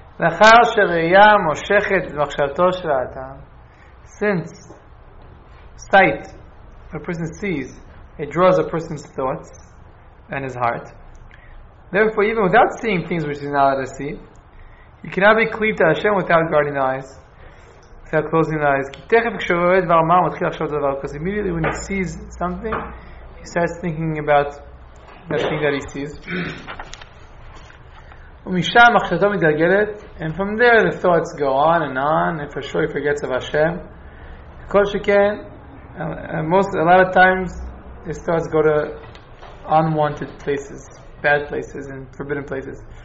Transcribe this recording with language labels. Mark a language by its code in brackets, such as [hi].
[he] לאחר שראייה מושכת במחשבתו של האדם, [en] since sight, a person sees, it draws a person's thoughts and his heart. Therefore, even without seeing things which he's not allowed to see, he cannot be cleaved to Hashem without guarding the eyes. Without closing the eyes. [he] תכף כשהוא רואה דבר מה, הוא מתחיל לחשוב דבר כזה. [en] Immediately when he sees something, he starts thinking about that thing that he sees. [he] ומשם מחשבתו מתגלגלת, [en] and from there the thoughts go on and on, and for sure he forgets of Hashem. כל שכן, a lot of times, his thoughts go to unwanted places, bad places, and forbidden places.